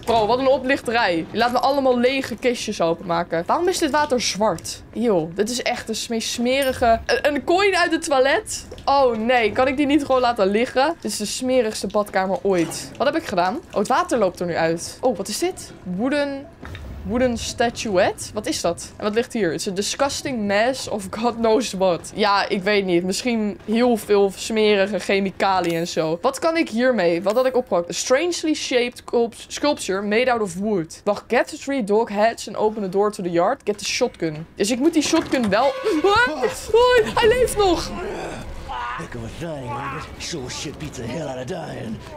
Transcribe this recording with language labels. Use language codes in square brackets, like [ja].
[nl] Bro, wat een oplichterij. Je laat me allemaal lege kistjes openmaken. Waarom is dit water zwart? Yo, dit is echt een meest smerige... Een coin uit het toilet? Oh nee, kan ik die niet gewoon laten liggen? Dit is de smerigste badkamer ooit. Wat heb ik gedaan? Oh, het water loopt er nu uit. Oh, wat is dit? Wooden statuette? Wat is dat? En wat ligt hier? [en] It's a disgusting mess of God knows what. [nl] Ja, ik weet niet. Misschien heel veel smerige chemicaliën en zo. Wat kan ik hiermee? Wat had ik opgepakt? [en] A strangely shaped sculpture made out of wood. Wacht, get the 3 dog heads and open the door to the yard. Get the shotgun. [nl] Dus ik moet die shotgun wel... Hoi, hij leeft nog! [en] Think of a dying, but sure shit beats the hell out of dying.